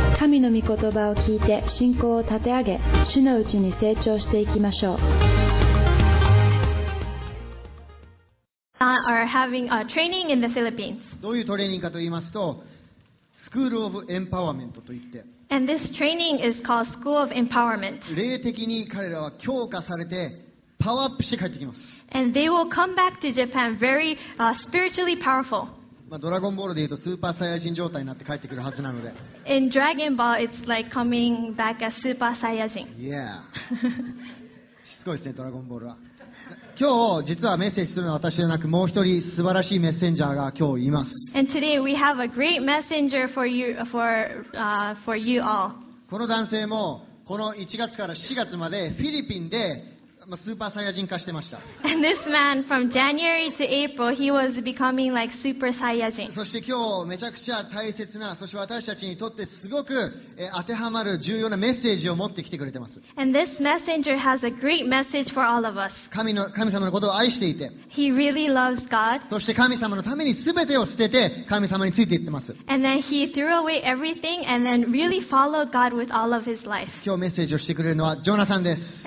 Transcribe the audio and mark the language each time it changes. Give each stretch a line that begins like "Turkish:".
Japanese: 神の御言葉を聞いて信仰を立て上げ、主のうちに成長していきましょう。
English: Are having a training in the Philippines.
Japanese: どういうトレーニングかと言いますと、スクールオブエンパワーメントといって。
English: And this training is called School of Empowerment.
Japanese: 霊的に彼らは強化されて、パワーアップして帰ってきます。
English: And they will come back to Japan very spiritually powerful.
Japanese: まあ、ドラゴンボールでいうとスーパーサイヤ人状態になって帰ってくるはずなので。
English: In Dragon Ball, it's like coming back as Super Saiyan. Yeah.
Japanese: しつこいですね、ドラゴンボールは。今日実はメッセージするのは私じゃなく、もう一人素晴らしいメッセンジャーが今日います。
English: And today we have a great messenger for you, for you all.
Japanese: この男性もこの1月から4月までフィリピンで。スーパーサイヤ人化してました。
English: And this man, from January to April, he was becoming like super Saiyajin.
Japanese: そして今日めちゃくちゃ大切な、そして私たちにとってすごく当てはまる重要なメッセージを持ってきてくれてます。
English: And this messenger has a great message for all of us.
Japanese: 神様のことを愛していて。
English: He really loves God.
Japanese: そして神様のために全てを捨てて神様についていってます。
English: And then he threw away everything and then really followed God with all of his life.
Japanese: 今日メッセージをしてくれるのはジョナサンです。